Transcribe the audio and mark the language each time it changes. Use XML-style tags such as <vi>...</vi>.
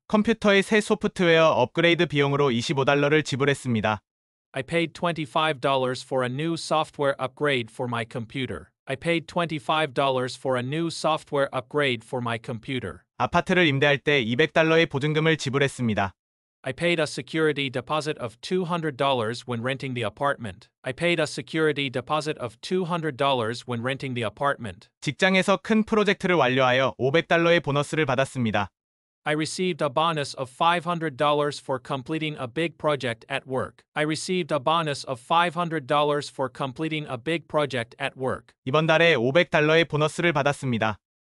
<ko>컴퓨터의 새 소프트웨어 업그레이드 비용으로 $25를 지불했습니다.</ko> <en>I paid $25 for a new software upgrade for my computer. I paid $25 for a new software upgrade for my computer.</en> <ko>아파트를 임대할 때 $200의 보증금을 지불했습니다.</ko> <en>I paid a security deposit of $200 when renting the apartment. I paid a security deposit of $200 when renting the apartment.</en> <ko>직장에서 큰 프로젝트를 완료하여 $500의 보너스를 받았습니다.</ko> <en>I received a bonus of $500 for completing a big project at work. I received a bonus of $500 for completing a big project at work.</en> <ko>이번 달에 $500의 보너스를 받았습니다.</ko>